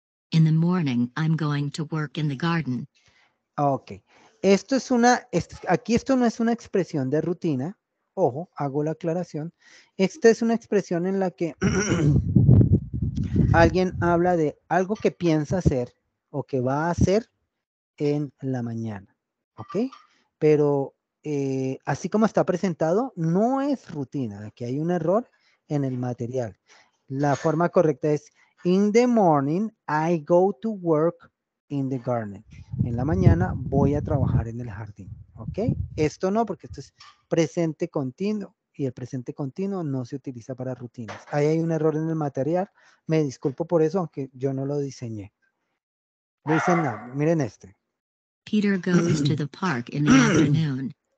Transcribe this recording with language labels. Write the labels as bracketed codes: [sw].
[en] In the morning, I'm going to work in the garden. [es] Ok, esto es una, aquí esto no es una expresión de rutina. Ojo, hago la aclaración. Esta es una expresión en la que alguien habla de algo que piensa hacer o que va a hacer en la mañana, ¿ok? Pero así como está presentado, no es rutina. Aquí hay un error en el material. La forma correcta es, [en] in the morning, I go to work in the garden. [es] En la mañana voy a trabajar en el jardín, ¿ok? Esto no, porque esto es presente continuo y el presente continuo no se utiliza para rutinas. Ahí hay un error en el material. Me disculpo por eso, aunque yo no lo diseñé. [en] Listen now, [es] miren este. [en] Peter goes to the park in the afternoon.